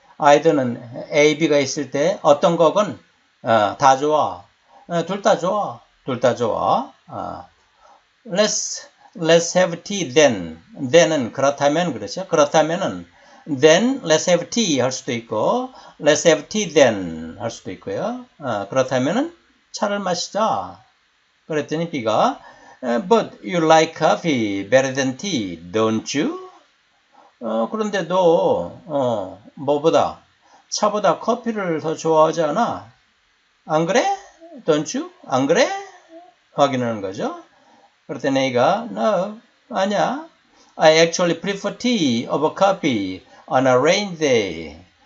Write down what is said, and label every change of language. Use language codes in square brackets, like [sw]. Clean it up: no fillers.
[ko] Either는 A, B가 있을 때 어떤 거건 다 좋아. 둘 다 좋아. 둘 다 좋아. [en] Let's have tea then. Then은 [ko] 그렇다면 그렇죠. 그렇다면은 [en] then let's have tea [ko] 할 수도 있고 [en] let's have tea then [ko] 할 수도 있고요. 그렇다면은 차를 마시자. 그랬더니 B가 [en] but you like coffee better than tea, don't you? [ko] 그런데 너 뭐보다 차보다 커피를 더 좋아하지 않아? 안 그래? [en] Don't you? [ko] 안 그래? 확인하는 거죠. 그랬더니 A가 [en] no, [ko] 아니야. [en] I actually prefer tea over coffee on a rain day.